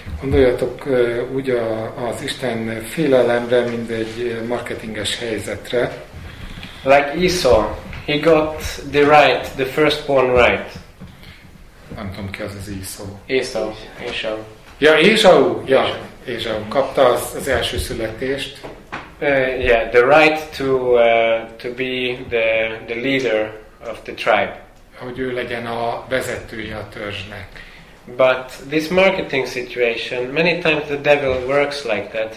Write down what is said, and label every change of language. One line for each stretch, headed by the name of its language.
Hungarian: Gondoljatok úgy az Isten félelemre, mint egy marketinges helyzetre.
English: Like Esau, he got the right, the firstborn right.
Hungarian: Nem tudom, ki az az Esau. Esau. Ja, Esau. Ja, Esau. Kapta az első születést.
English: Yeah, the right to be the leader of the tribe.
Hungarian: Hogy ő legyen a vezetője a törzsnek.
English: But this marketing situation, many times the devil works like that.